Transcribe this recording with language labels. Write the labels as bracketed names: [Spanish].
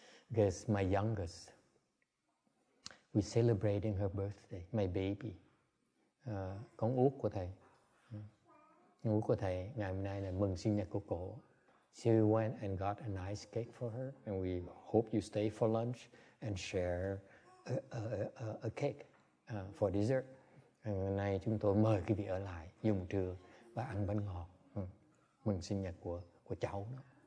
[English] Because my youngest, we're celebrating her birthday, my baby. [Vietnamese] Con út của thầy. Con út của thầy, ngày hôm nay là mừng sinh nhật của cô. [English] So we went and got a nice cake for her, and we hope you stay for lunch and share a cake for dessert. [Vietnamese] Hôm nay chúng tôi mời quý vị ở lại dùng trưa và ăn bánh ngọt mừng sinh nhật của cháu đó.